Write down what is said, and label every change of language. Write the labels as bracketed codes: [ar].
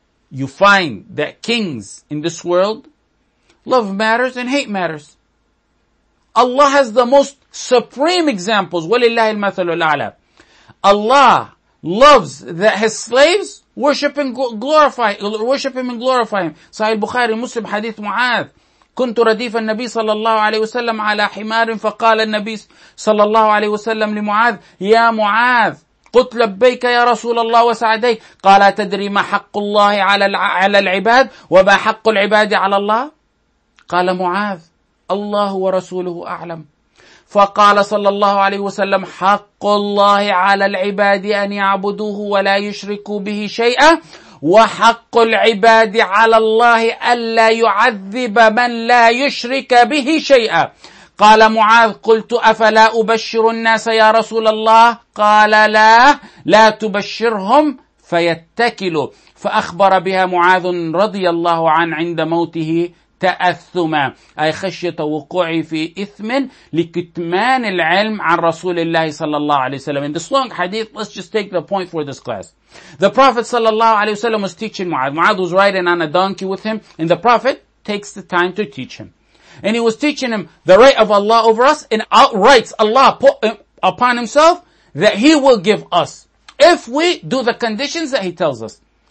[en] You find that kings in this world love matters and hate matters. Allah has the most supreme examples. [ar] وَلِلَّهِ الْمَثَلُ الْعَلَى. [en] Allah loves that His slaves worship Him and glorify Him. Sahih Bukhari, Muslim, Hadith Mu'adh. [ar] كنت رديف النبي صلى الله عليه وسلم على حمار فقال النبي صلى الله عليه وسلم لمعاذ يا معاذ قلت لبيك يا رسول الله وسعديك قال تدري ما حق الله على العباد وما حق العباد على الله قال معاذ الله ورسوله أعلم. فقال صلى الله عليه وسلم حق الله على العباد أن يعبدوه ولا يشركوا به شيئا وحق العباد على الله ألا يعذب من لا يشرك به شيئا. قال معاذ قلت أفلا أبشر الناس يا رسول الله قال لا تبشرهم فيتكلوا. فأخبر بها معاذ رضي الله عنه عند موته تأثما أي خشية وقوعي في إثم لكتمان العلم عن رسول الله صلى الله عليه وسلم. [en] In this long hadith, let's just take the point for this class. The Prophet [ar] صلى الله عليه وسلم [en] was teaching Mu'adh. Mu'adh was riding on a donkey with him, and the Prophet takes the time to teach him. And he was teaching him the right of Allah over us, and outrights Allah put upon himself that He will give us if we do the conditions that He tells us.